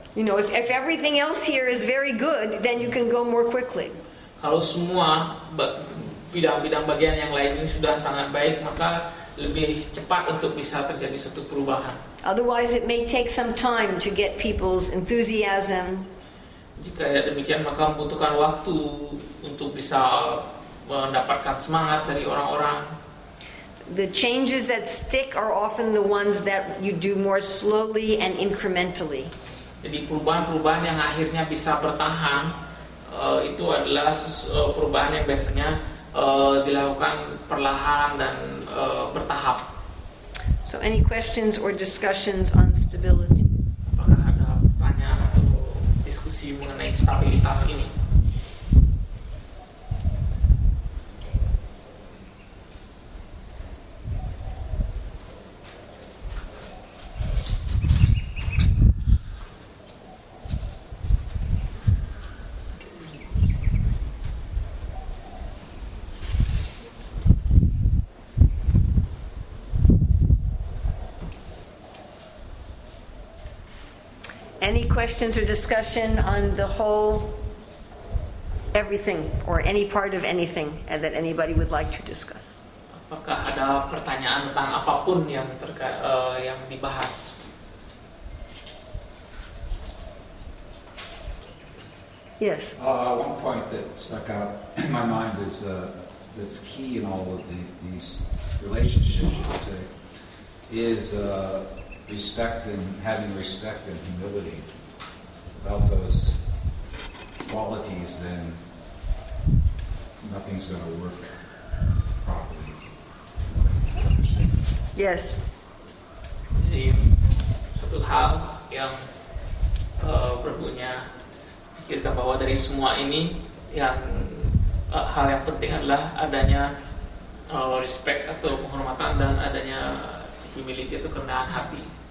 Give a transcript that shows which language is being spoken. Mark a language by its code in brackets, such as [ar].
[en] You know, if everything else here is very good, then you can go more quickly. [id] Kalau semua bidang-bidang bagian yang lain ini sudah sangat baik, maka lebih cepat untuk bisa terjadi suatu perubahan. [en] Otherwise, it may take some time to get people's enthusiasm. [id] Jika ya demikian, maka membutuhkan waktu untuk bisa mendapatkan semangat dari orang-orang. [en] The changes that stick are often the ones that you do more slowly and incrementally. [id] Jadi perubahan-perubahan yang akhirnya bisa bertahan itu adalah perubahan yang biasanya dilakukan perlahan dan bertahap. [en] So any questions or discussions on stability? [id] Apakah ada pertanyaan atau diskusi mengenai stabilitas ini? [en] Any questions or discussion on the whole, everything, or any part of anything that anybody would like to discuss? [id] Apakah ada pertanyaan tentang apapun yang terkait yang dibahas? [en] Yes. One point that stuck out in my mind is that's key in all of these relationships, you could say, is. Respect and having respect and humility about those qualities, then nothing's going to work properly. Yes. [id] Jadi satu hal yang perlunya pikirkan bahwa dari semua ini yang hal yang penting adalah adanya respect atau penghormatan dan adanya humility atau kerendahan hati.